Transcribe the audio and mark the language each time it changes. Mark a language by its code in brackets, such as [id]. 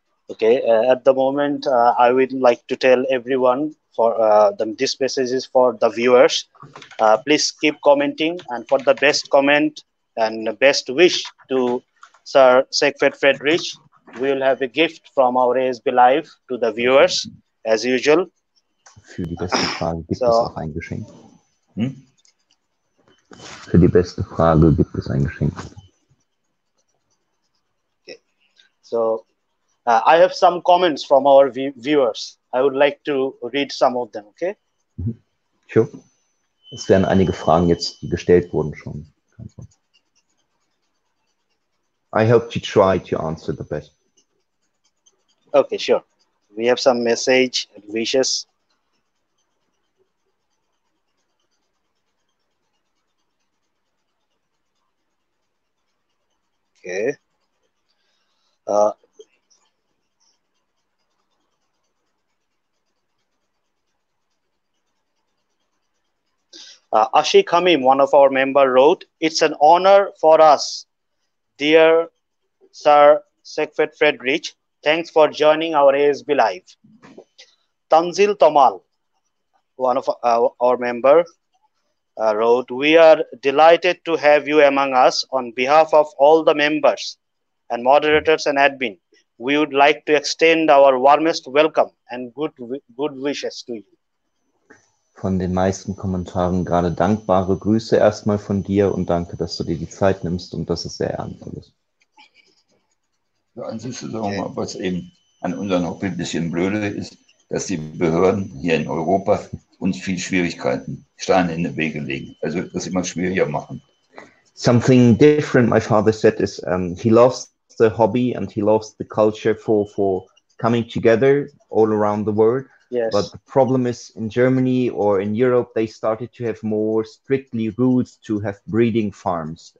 [en] Okay, at the moment, I would like to tell everyone for this message is for the viewers. Please keep commenting, and for the best comment and best wish to Sir Siegfried Friedrich, we will have a gift from our ASB Live to the viewers, as usual. [de] Für die beste Frage gibt es auch ein Geschenk. Für die beste Frage gibt es ein Geschenk. [en] Okay, so. I have some comments from our viewers. I would like to read some of them, okay? Mm-hmm. Sure. [de] Es wären einige Fragen jetzt, die gestellt wurden schon. [en] I hope to try to answer the best. Okay, sure. We have some message and wishes. Okay. Ashi Kamim, one of our members, wrote, "It's an honor for us, dear Sir Siegfried Friedrich. Thanks for joining our ASB Live." Tanzil Tomal, one of our members, wrote, "We are delighted to have you among us. On behalf of all the members and moderators and admin, we would like to extend our warmest welcome and good wishes to you." [de] Von den meisten Kommentaren gerade dankbare Grüße erstmal von dir und danke, dass du dir die Zeit nimmst und das ist sehr ehrenvoll. Ja, an sich sagen wir mal, was eben an unserem Hobby ein bisschen blöde ist, dass die Behörden hier in Europa uns viel Schwierigkeiten, Steine in den Weg legen, also das immer schwieriger machen. [en] Something different my father said is he loves the hobby and he loves the culture for coming together all around the world. Yes. But the problem is in Germany or in Europe, they started to have more strictly rules to have breeding farms.